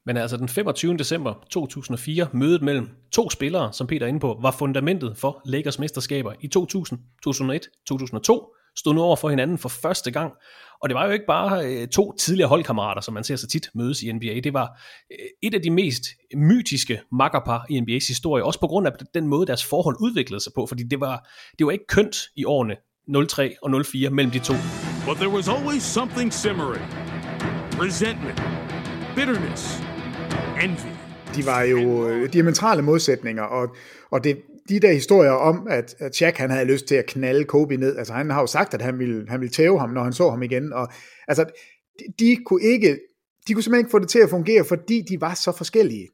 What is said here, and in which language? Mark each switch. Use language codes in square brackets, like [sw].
[da] Men altså den 25. december 2004, mødet mellem 2 spillere, som Peter er inde på, var fundamentet for Lakers mesterskaber i 2000, 2001, 2002, stod nu over for hinanden for første gang. Og det var jo ikke bare 2 tidligere holdkammerater, som man ser så tit mødes i NBA. Det var et af de mest mytiske makkerpar i NBA's historie, også på grund af den måde, deres forhold udviklede sig på, fordi det var ikke kønt i årene 03 og 04 mellem de 2. [en] But there was always something simmering. Resentment. Bitterness. Envy. [da] de var jo diametrale modsætninger, og det, de der historier om, at Shaq, han havde lyst til at knalde Kobe ned, altså han har jo sagt, at han ville tæve ham, når han så ham igen, og altså, de kunne simpelthen ikke få det til at fungere, fordi de var så forskellige.